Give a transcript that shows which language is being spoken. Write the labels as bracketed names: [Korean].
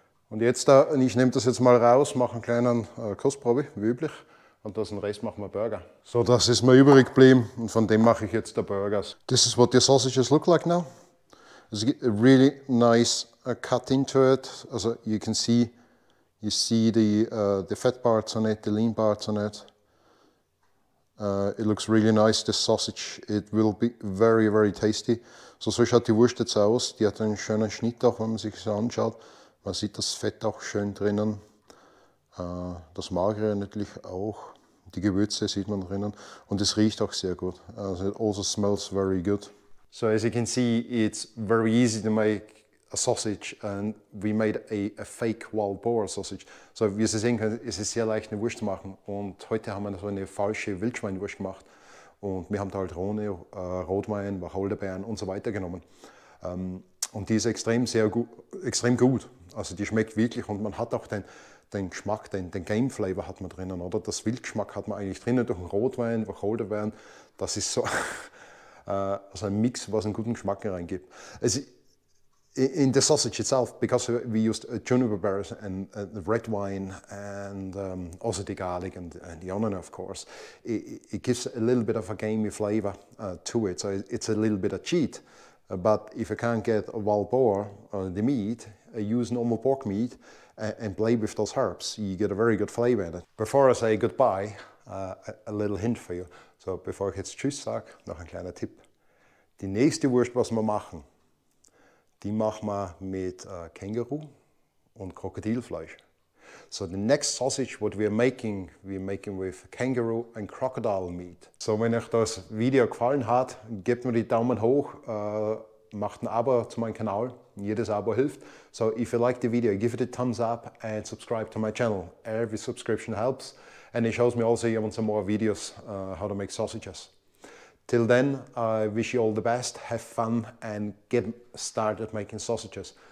[German] Und jetzt, da, ich nehme das jetzt mal raus, mache einen kleinen Kostprobe, wie üblich. Und das den Rest machen wir Burger. So, das ist mir übrig geblieben und von dem mache ich jetzt die Burgers. [English] This is what the sausages look like now. It's a really nice cut into it. Also, you see the fat parts on it, the lean parts on it. It looks really nice, this sausage. It will be very, very tasty. [German] So, so schaut die Wurst jetzt aus. Die hat einen schönen Schnitt auch, wenn man sich so anschaut. Man sieht das Fett auch schön drinnen, das Magere natürlich auch, die Gewürze sieht man drinnen und es riecht auch sehr gut. [English] Also it also smells very good. So as you can see, it's very easy to make a sausage and we made a fake wild boar sausage. [German] So wie Sie sehen können, ist es sehr leicht, eine Wurst zu machen und heute haben wir so eine falsche Wildschweinwurst gemacht und wir haben da halt Rhone, Rotwein, Wacholderbeeren und so weiter genommen. Und die ist extrem gut. Also die schmeckt wirklich und man hat auch den Geschmack, den Game Flavor hat man drinnen, oder? Das Wildgeschmack hat man eigentlich drinnen durch den Rotwein, Wacholderbeeren. Das ist so also ein Mix, was einen guten Geschmack reingibt. [English] Also in the sausage itself, because we used juniper berries and the red wine and also the garlic and the onion, of course, it gives a little bit of a gamey flavor to it. So it's a little bit of cheat. But if you can't get a wild boar, the meat, use normal pork meat and play with those herbs. You get a very good flavor in it. Before I say goodbye, a little hint for you. [German] So bevor ich jetzt Tschüss sage, noch ein kleiner Tipp. Die nächste Wurst, was wir machen, die machen wir mit Känguru und Krokodilfleisch. [English] So the next sausage what we're making with kangaroo and crocodile meat. [German] So wenn euch das Video gefallen hat, gebt mir die Daumen hoch, macht ein Abo zu meinem Kanal, jedes Abo hilft. [English] So if you like the video, give it a thumbs up and subscribe to my channel. Every subscription helps and it shows me also you want some more videos how to make sausages. Till then, I wish you all the best, have fun and get started making sausages.